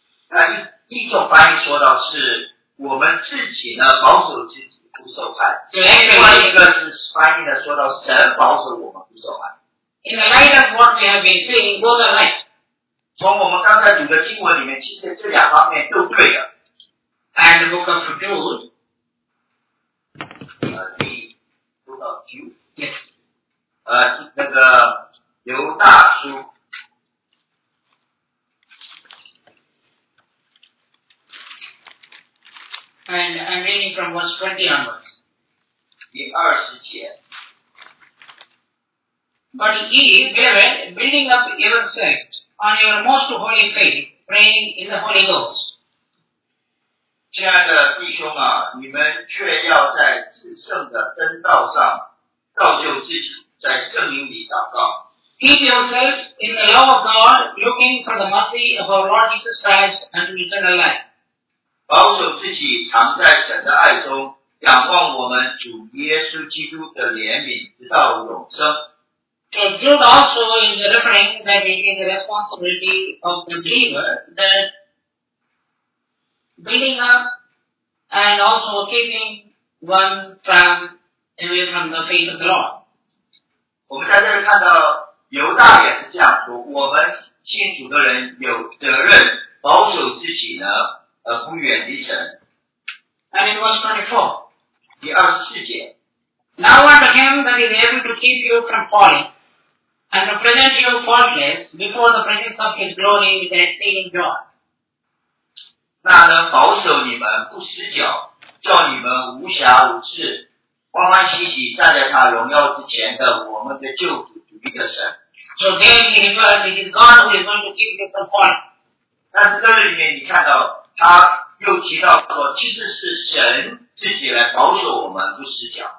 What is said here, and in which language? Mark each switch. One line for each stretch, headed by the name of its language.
Chinese: 那一种翻译说到是我们自己呢保守自己不受害。另外一个是翻译的说到神保守我们不受害。
English: In the light of what we have been saying, both are right.
Chinese: 从我们刚才读的经文里面，其实这两方面都对的。
English: And the book of Jude, the book of Jude, yes,
Chinese: 那个犹大书
English: ，and I'm reading from verse 20 onwards.
Chinese: 第二十节。
English: But ye, brethren, building up yourselves on your most holy faith, praying in the Holy Ghost.
Chinese: 亲爱的弟兄啊，你们却要在至圣的真道上造就自己，在圣灵里祷告。
English: Keep yourselves in the love of God, looking for the mercy of our Lord Jesus Christ and eternal life.
Chinese: 保守自己，常在神的爱中，仰望我们主耶稣基督的怜悯，直到永生。
English: So Jude also is referring that it is the responsibility of the believer that building up and also keeping one from away from the faith of the Lord.
Chinese: 我们在这里看到犹大也是这样说，我们信主的人有责任保守自己呢，不远离神。
English: And in verse 24,
Chinese: 第二十四节。
English: Now unto him that is able to keep you from falling. And to present you faultless before the presence of His glory with exceeding joy.
Chinese: 那能保守你们不失脚，叫你们无瑕无疵，欢欢喜喜站在他荣耀之前的我们的救主独一的神。
English: So then he refers, it is God who is going to keep you from falling.
Chinese: 但是这里面你看到他又提到说，其实是神自己来保守我们不失脚。